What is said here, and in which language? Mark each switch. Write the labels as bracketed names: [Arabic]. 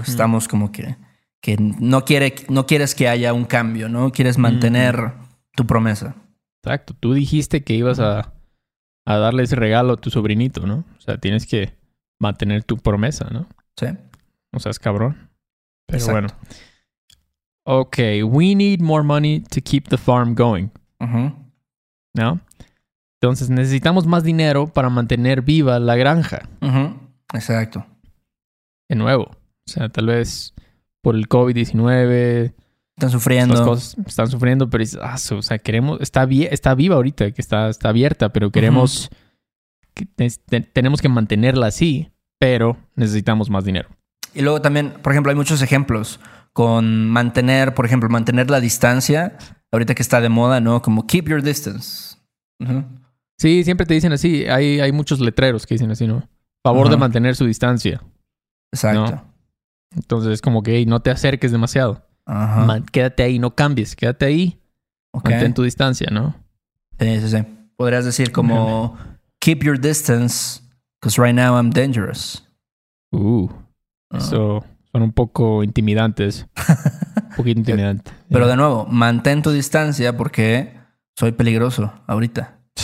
[Spanish] estamos como que no, no quieres que haya un cambio, ¿no? Quieres mantener uh-huh. tu promesa. Exacto. Tú dijiste que ibas a darle ese regalo a tu sobrinito, ¿no? O sea, tienes que mantener tu promesa, ¿no? Sí. O sea, es cabrón. Pero exacto. bueno. [English] Okay, we need more money to keep the farm going. Uh-huh. [Spanish] ¿No? Entonces, necesitamos más dinero para mantener viva la granja. Uh-huh. Exacto. De nuevo. O sea, tal vez por el COVID-19... Están sufriendo. Estas cosas están sufriendo, pero es, o sea, queremos... Está viva ahorita, que está abierta, pero queremos... Uh-huh. Tenemos que mantenerla así, pero necesitamos más dinero. Y luego también, por ejemplo, hay muchos ejemplos con mantener, por ejemplo, mantener la distancia. Ahorita que está de moda, ¿no? Como [English] keep your distance. [Spanish] Uh-huh. Sí, siempre te dicen así. Hay muchos letreros que dicen así, ¿no? Favor uh-huh. de mantener su distancia. Exacto. ¿No? Entonces es como que hey, no te acerques demasiado. Uh-huh. Quédate ahí, no cambies. Quédate ahí. Okay. Mantén tu distancia, ¿no? Sí, sí, sí. Podrías decir como uh-huh. [English] keep your distance because right now I'm dangerous. [Spanish] Eso son un poco intimidantes. Un poquito intimidante. Pero yeah. de nuevo, mantén tu distancia porque soy peligroso ahorita.